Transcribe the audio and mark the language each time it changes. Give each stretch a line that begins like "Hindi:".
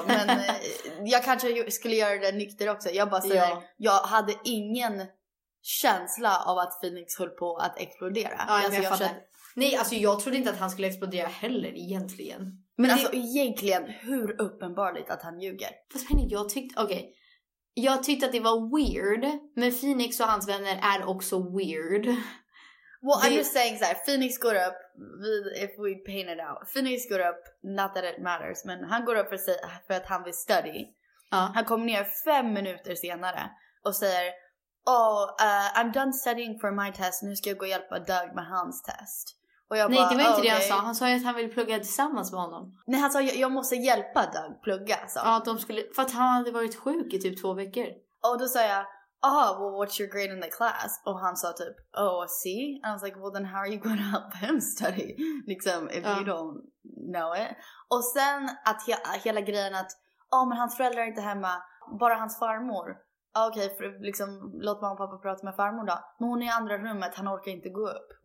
Swedish: Men jag kanske skulle göra det nykter också. Jag bara säger, jag hade ingen känsla av att Phoenix höll på att explodera. Ja, alltså, jag fattar. Nej, alltså jag trodde inte att han skulle explodera heller egentligen. Men alltså egentligen, hur uppenbarligt att han ljuger? Fast Penny, jag tyckte att det var weird. Men Phoenix och hans vänner är också weird.
English: Well, I'm just saying that Phoenix
Swedish: går upp,
English: if we paint it out.
Swedish: Phoenix går upp,
English: not that it matters,
Swedish: men han går upp för att han vill study. Han kommer ner 5 minuter senare och säger,
English: I'm done studying for my test,
Swedish: nu ska jag gå och hjälpa Doug med hans test. Och jag Nej, det var inte det. Han sa. Han sa ju att han ville plugga tillsammans med honom. Nej, han sa att jag måste hjälpa Doug plugga. Så. Ja, de skulle, för att han hade varit sjuk i typ 2 veckor. Och då sa jag,
English: well, what's your grade in the class?
Swedish: Och han sa typ, C.
English: And I was like, well then how are you going to help him study?
Swedish: Liksom,
English: if you don't know it.
Swedish: Och sen att hela grejen att, men hans föräldrar är inte hemma. Bara hans farmor. Okej, för liksom, låt mamma och pappa prata med farmor då. Men hon är i andra rummet, han orkar inte gå upp.